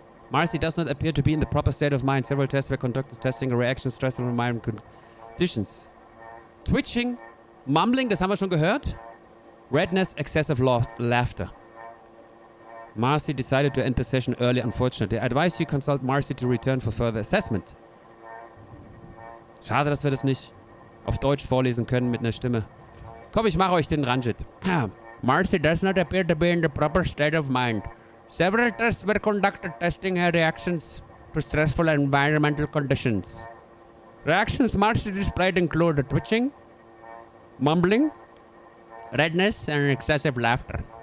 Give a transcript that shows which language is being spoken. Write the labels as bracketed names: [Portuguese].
[English] Marcy does not appear to be in the proper state of mind. Several tests were conducted testing a reaction stress and environment conditions. Twitching, mumbling, [German] das haben wir schon gehört. [English] Redness, excessive laughter. Marcy decided to end the session early, unfortunately. I advise you consult Marcy to return for further assessment. [German] Schade, dass wir das nicht auf Deutsch vorlesen können mit einer Stimme. Komm, ich mache euch den Ranjit. [English] Marcy does not appear to be in the proper state of mind. Several tests were conducted testing her reactions to stressful environmental conditions. Reactions Marcy displayed include twitching, mumbling, redness, and excessive laughter.